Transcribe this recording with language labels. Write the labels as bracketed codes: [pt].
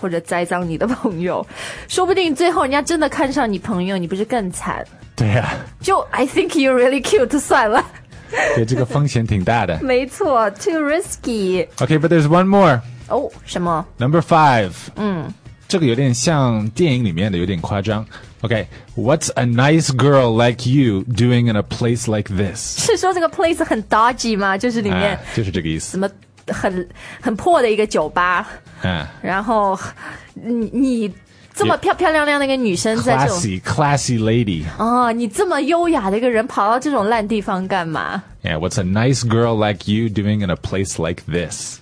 [zh] 或者栽赃你的朋友，说不定最后人家真的看上你朋友，你不是更惨？对呀、 [en] 就 I think you're really cute [zh] 算了。对，这个风险挺大的。没错 ， [en] too risky. Okay, but there's one more. [zh] 哦，什么 [en] ？Number five. [zh] 这个有点像电影里面的，有点夸张。 [en] Okay, what's a nice girl like you doing in a place like this? [zh] 是说这个 place 很 dodgy 吗？就是里面、就是这个意思。什么很破的一个酒吧？然后你。这么漂漂亮亮的一个女生在这种 [en] classy lady [zh] 哦，你这么优雅的一个人跑到这种烂地方干嘛 [en] ？Yeah, what's a nice girl like you doing in a place like this?